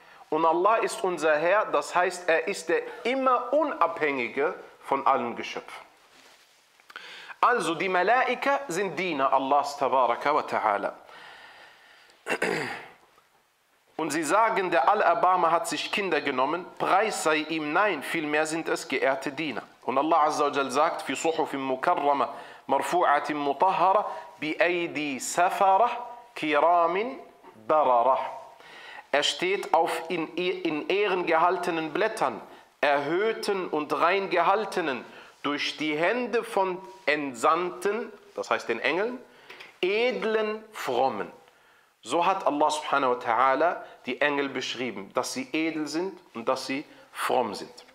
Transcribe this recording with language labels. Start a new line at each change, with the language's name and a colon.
German: Und Allah ist unser Herr, das heißt, er ist der immer Unabhängige von allen Geschöpfen. Also die Malaika sind Diener Allahs, tabaraka wa ta'ala. Und sie sagen, der Allerbarmer hat sich Kinder genommen, Preis sei ihm, nein, vielmehr sind es geehrte Diener.
Arabic: Und Allah Azza wa Jal sagt, في صحف مكرمة مرفوعة مطهرة بأيدي سفرة كرام بررة.
German: Er steht auf in Ehren gehaltenen Blättern, erhöhten und rein gehaltenen, durch die Hände von Entsandten, das heißt den Engeln, edlen Frommen. So hat Allah subhanahu wa ta'ala die Engel beschrieben, dass sie edel sind und dass sie fromm sind.